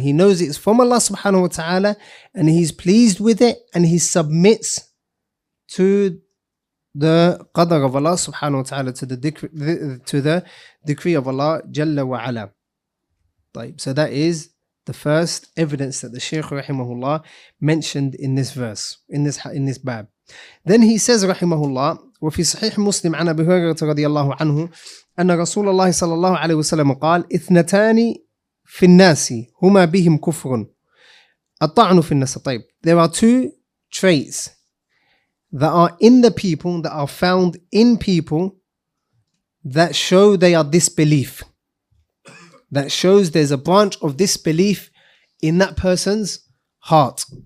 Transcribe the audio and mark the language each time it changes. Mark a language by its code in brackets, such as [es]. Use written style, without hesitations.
[en] He knows it's from Allah subhanahu wa ta'ala and he's pleased with it and he submits to the qadr of Allah subhanahu wa ta'ala, to the decree of Allah jalla wa ala. So that is the first evidence that the Shaykh rahimahullah mentioned in this verse, in this bab. [ar] Then he says rahimahullah, وفي صحيح مسلم عن أبي هريرة رضي الله عنه أن رسول الله صلى الله عليه وسلم قال إثنتان في الناس هما بهم كفر الطعن في النساء. [en] طيب, there are two traits that are in the people, that are found in people, that show they are disbelief, that shows there's a branch of disbelief in that person's heart.